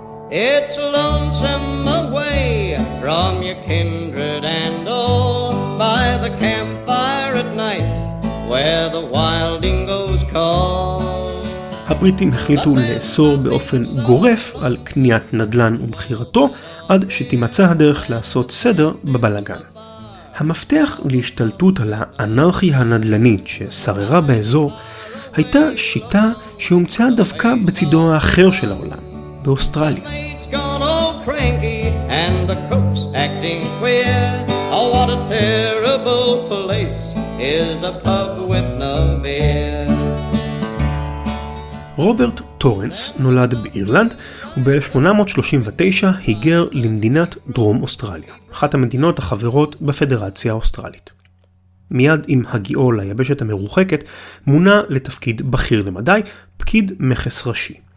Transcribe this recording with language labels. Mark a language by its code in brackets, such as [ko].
[en] It's a lonesome away from your kindred and all by the campfire at night where the wild dingoes call. [he] הבריטים החליטו לאסור באופן גורף על קניית נדלן ומחירתו עד שתימצא הדרך לעשות סדר בבלגן. המפתח להשתלטות על האנרכיה הנדלנית ששררה באזור הייתה שיטה שהומצאה דווקא בצידו האחר של העולם, באוסטרליה. [en] And the cooks acting queer. Oh, what a terrible place is a pub with no beer. [he] Robert Torrens נולד באירלנד, וב-1839 היגר למדינת דרום אוסטרליה, אחת המדינות החברות בפדרציה האוסטרלית. מיד עם הגיעו ליבשת המרוחקת, מונה לתפקיד בכיר למדי, פקיד מכס ראשי.